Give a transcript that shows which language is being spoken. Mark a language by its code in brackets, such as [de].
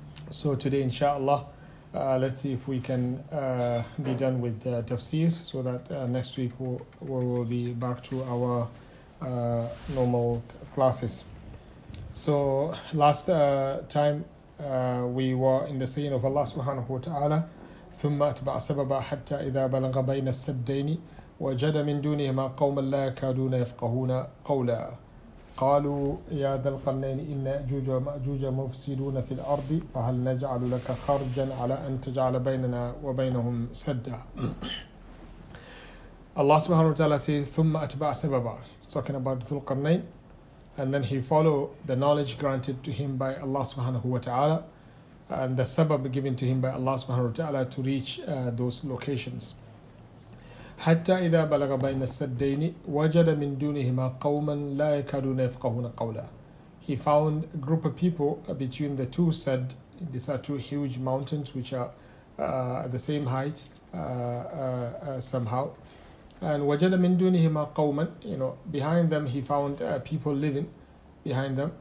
[en] So today, inshallah, let's see if we can be done with the tafsir so that next week we will be back to our normal classes. So last time we were in the saying of Allah subhanahu wa ta'ala, [ar] ثم أتبع سببا حتى إذا بلغ بين السدين وجد من دونهما قوما لا يكادون يفقهون قولا قالوا يا ذا القرنين إن يأجوج ومأجوج مفسدون في الأرض فهل نجعل لك خرجا على أن تجعل بيننا وبينهم سدا. الله سبحانه وتعالى says ثم أتبع سببا. [en] He's talking about ذو القرنين, and then he followed the knowledge granted to him by Allah سبحانه وتعالى and the سبب given to him by Allah سبحانه وتعالى to reach those locations. [ar] حتى إذا بلغ بين السدين وجد من دونهما قوما لا يكادون يفقهون قولا. [en] He found a group of people between the two sad. These are two huge mountains which are at the same height somehow. And [ar] وجد من دونهما قوما, [en] you know, behind them he found people living behind them.